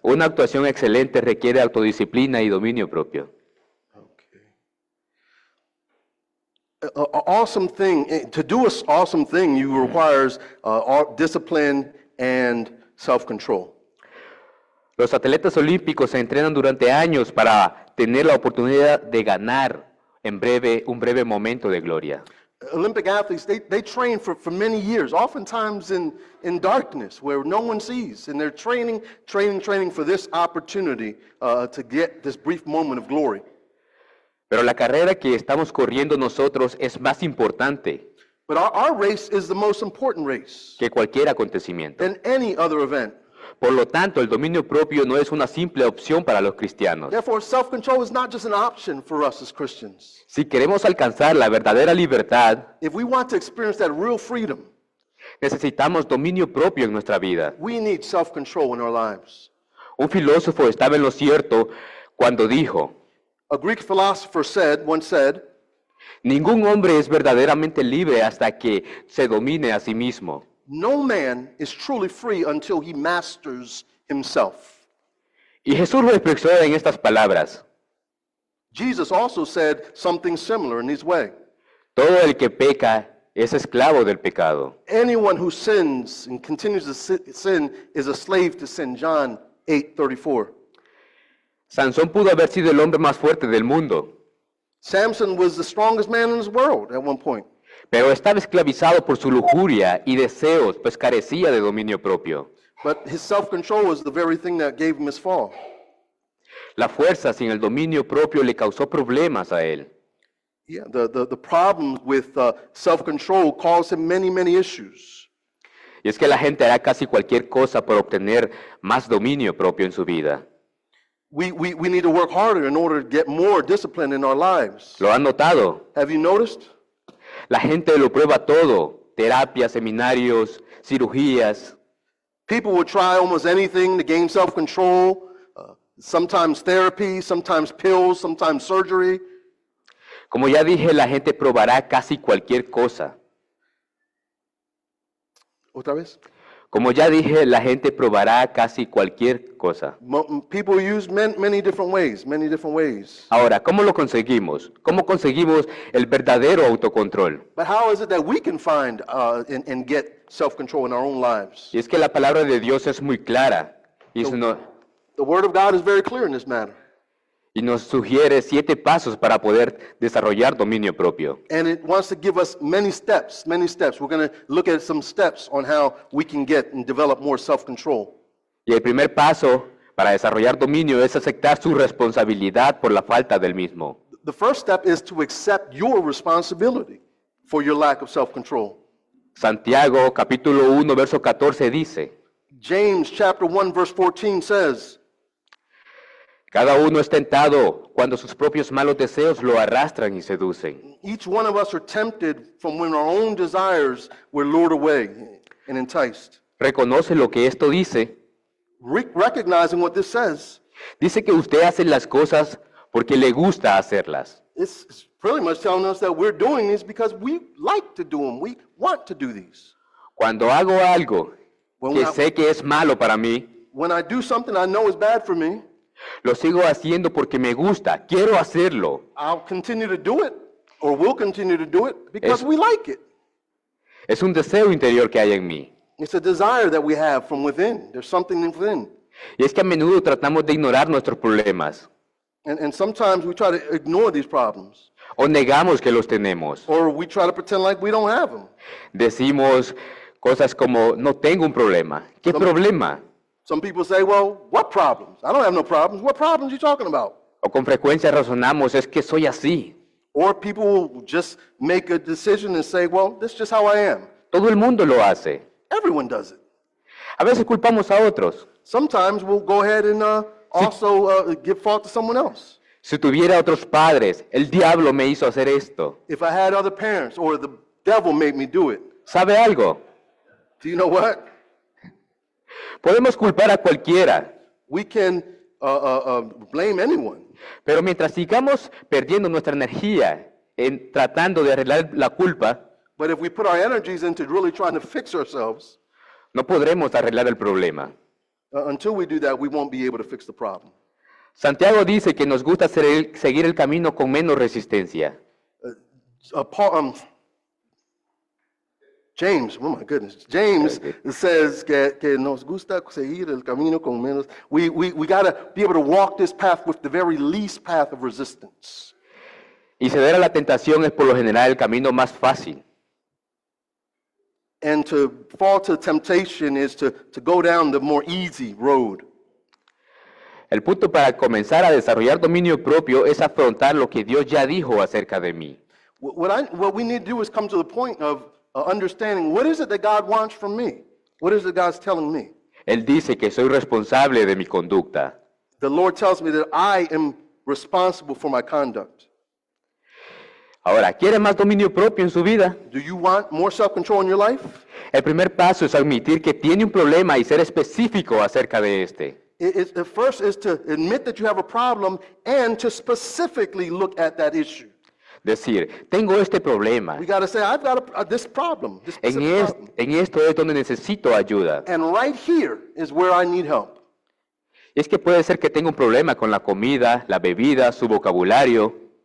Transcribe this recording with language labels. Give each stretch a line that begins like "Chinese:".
Spanish: Una actuación excelente requiere autodisciplina y dominio propio.
English: Awesome thing to do an awesome thing you requires discipline and self-control.
Spanish: Los atletas olímpicos se entrenan durante años para tener la oportunidad de ganar en breve un breve momento de gloria.
English: Olympic athletes they train for many years, oftentimes in darkness where no one sees, and they're training for this opportunity to get this brief moment of glory.
Spanish: Pero la carrera que estamos corriendo nosotros es más importante
English: But our race is the most important race
Spanish: que cualquier acontecimiento.
English: Than any other event.
Spanish: Por lo tanto, el dominio propio no es una simple opción para los cristianos.
English: Therefore, self-control is not just an option for us as Christians.
Spanish: Si queremos alcanzar la verdadera libertad,
English: If we want to experience that real freedom,
Spanish: necesitamos dominio propio en nuestra vida.
English: We need self-control in our lives.
Spanish: Un filósofo estaba en lo cierto cuando dijo,
English: A Greek philosopher said, once said,
Spanish: Ningún hombre es verdaderamente libre hasta que se domine a sí mismo.
English: No man is truly free until he masters himself.
Spanish: Y Jesús lo expresó en estas palabras.
English: Jesus also said something similar in his way.
Spanish: Todo el que peca es esclavo del pecado.
English: Anyone who sins and continues to sin is a slave to sin. John 8:34.
Spanish: Sansón pudo haber sido el hombre más fuerte del mundo.
English: Samson was the strongest man in his world at one point.
Spanish: Pero estaba esclavizado por su lujuria y deseos, pues carecía de dominio propio.
English: But his self-control was the very thing that gave him his fall.
Spanish: La fuerza sin el dominio propio le causó problemas a él.
English: Yeah, the problem with self-control caused him many, many issues.
Spanish: Y es que la gente hará casi cualquier cosa por obtener más dominio propio en su vida.
English: We need to work harder in order to get more discipline in our lives.
Spanish: ¿Lo han notado?
English: Have you noticed?
Spanish: La gente lo prueba todo. Terapias, seminarios, cirugías.
English: People will try almost anything to gain self-control. Sometimes therapy, sometimes pills, sometimes surgery.
Spanish: Como ya dije, la gente probará casi cualquier cosa. ¿Otra vez? Como ya dije, la gente probará casi cualquier cosa.
English: People use many different ways, many different ways.
Spanish: Ahora, ¿cómo lo conseguimos? ¿Cómo conseguimos el verdadero autocontrol?
English: But how is it that we can find and get self-control in our own lives?
Spanish: Y es que la palabra de Dios es muy clara.
English: The word of God is very clear in this matter.
Spanish: Y nos sugiere 7 pasos para poder desarrollar dominio propio.
English: And it wants to give us many steps, many steps. We're going to look at some steps on how we can get and develop more self-control.
Spanish: Y el primer paso para desarrollar dominio es aceptar su responsabilidad por la falta del mismo.
English: The first step is to accept your responsibility for your lack of self-control.
Spanish: Santiago capítulo 1, verso 14 dice.
English: James chapter 1, verse 14 says.
Spanish: Cada uno es tentado cuando sus propios malos deseos lo arrastran y seducen.
English: Each one of us are tempted from when our own desires were lured away and enticed.
Spanish: Reconoce lo que esto dice.
English: Recognizing what this says.
Spanish: Dice que usted hace las cosas porque le gusta hacerlas.
English: It's pretty much telling us that we're doing these because we like to do them. We want to do these.
Spanish: Cuando hago algo que sé que es malo para mí.
English: When I do something I know is bad for me.
Spanish: Lo sigo haciendo porque me gusta. Quiero hacerlo.
English: I'll continue to do it, or we'll continue to do it, because we like it.
Spanish: Es un deseo interior que hay en mí.
English: It's a desire that we have from within. There's something within.
Spanish: Y es que a menudo tratamos de ignorar nuestros problemas.
English: And sometimes we try to ignore these problems.
Spanish: O negamos que los tenemos.
English: Or we try to pretend like we don't have them.
Spanish: Decimos cosas como, no tengo un problema. ¿Qué problema?
English: Some people say, well, what problems? I don't have no problems. What problems are you talking about?
Spanish: O con frecuencia razonamos, es que soy así.
English: Or people will just make a decision and say, well, this is just how I am.
Spanish: Todo el mundo lo hace.
English: Everyone does it.
Spanish: A veces culpamos a otros.
English: Sometimes we'll go ahead and also give fault to someone else.
Spanish: Si tuviera otros padres, el diablo me hizo hacer esto.
English: If I had other parents or the devil made me do it.
Spanish: ¿Sabe algo?
English: Do you know what?
Spanish: Podemos culpar a cualquiera.
English: We can blame anyone.
Spanish: Pero mientras sigamos perdiendo nuestra energía en tratando de arreglar la culpa,
English: but if we put our energies into really trying to fix ourselves,
Spanish: no podremos arreglar el problema.
English: Until we do that, we won't be able to fix the problem.
Spanish: Santiago dice que nos gusta seguir el camino con menos resistencia.
English: James, oh my goodness. James says
Spanish: que nos gusta seguir el camino con menos.
English: We got to be able to walk this path with the very least path of resistance.
Spanish: Y ceder a la tentación es por lo general el camino más fácil.
English: And to fall to temptation is to go down the more easy road.
Spanish: El punto para comenzar a desarrollar dominio propio es afrontar lo que Dios ya dijo acerca de mí.
English: What we need to do is come to the point of understanding what is it that God wants from me? What is it God's telling me?
Spanish: Él dice que soy responsable de mi conducta.
English: The Lord tells me that I am responsible for my conduct.
Spanish: Ahora, ¿quiere más dominio propio en su vida?
English: Do you want more self-control in your life?
Spanish: El primer paso es admitir que tiene un problema y ser específico acerca de este.
English: The first is to admit that you have a problem and to specifically look at that issue.
Spanish: Decir, tengo este problema.
English: We got to say, I've got this problem.
Spanish: En esto es donde necesito ayuda.
English: And right here is where I need help.
Spanish: Es que puede ser que tenga un problema con la comida, la bebida, su vocabulario.